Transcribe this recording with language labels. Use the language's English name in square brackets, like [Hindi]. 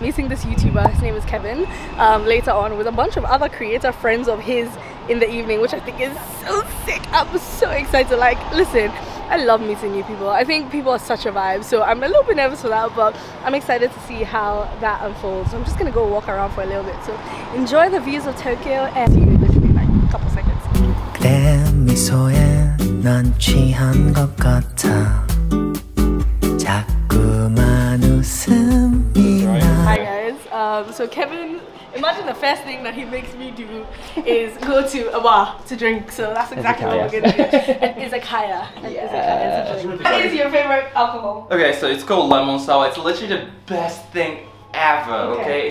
[English] Meeting this YouTuber, his name is Kevin, later on with a bunch of other creator friends of his in the evening, which I think is so sick. I'm so excited. Like, listen, I love meeting new people. I think people are such a vibe, so I'm a little bit nervous for that, but I'm excited to see how that unfolds. So I'm just gonna go walk around for a little bit, so enjoy the views of Tokyo and see you in literally like a couple seconds. [Korean] 내 미소에 난 취한 것 같아 자꾸만 웃음이 나. [English] Hi guys, so Kevin, imagine the first thing that he makes me do is go to a bar to drink. So that's exactly what we're going to do. Izakaya. What is your favorite alcohol? Okay, so it's called lemon sour. It's literally the best thing ever, okay?